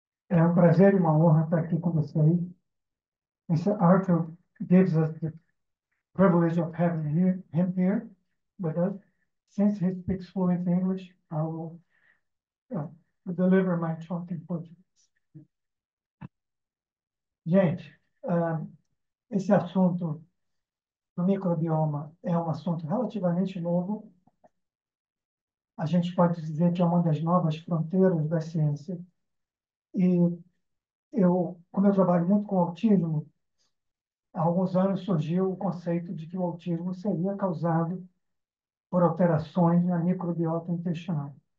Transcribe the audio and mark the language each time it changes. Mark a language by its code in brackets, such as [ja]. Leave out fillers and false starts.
[pt] É um prazer e uma honra estar aqui com você aí. [en] Mr. Arthur gives us the privilege of having him here with us. Since he speaks fluent English, I will deliver my talk in Portuguese. [pt] Gente, esse assunto do microbioma é um assunto relativamente novo. A gente pode dizer que é uma das novas fronteiras da ciência. E eu, como eu trabalho muito com autismo, há alguns anos surgiu o conceito de que o autismo seria causado por alterações na microbiota intestinal.